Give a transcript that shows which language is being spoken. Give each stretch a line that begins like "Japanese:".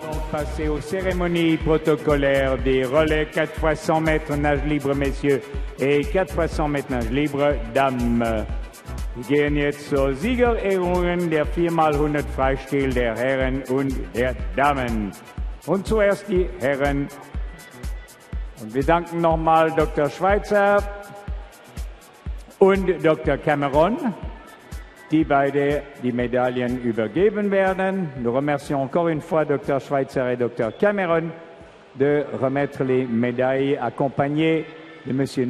French: Passer aux cérémonies protocolaires des relais 4x100 mètres nage libre, messieurs, et 4x100 mètres nage libre, dames.
German: Wir gehen jetzt zur Siegerehrungen der 4x100 Freistil der Herren und der Damen. Und zuerst die Herren. Und wir danken nochmal Dr. Schweitzer und Dr. Cameron, die beide die Medaillen übergeben werden.
French: Nous remercions encore une fois Dr. Schweitzer et Dr. Cameron de remettre les médailles accompagnées de M.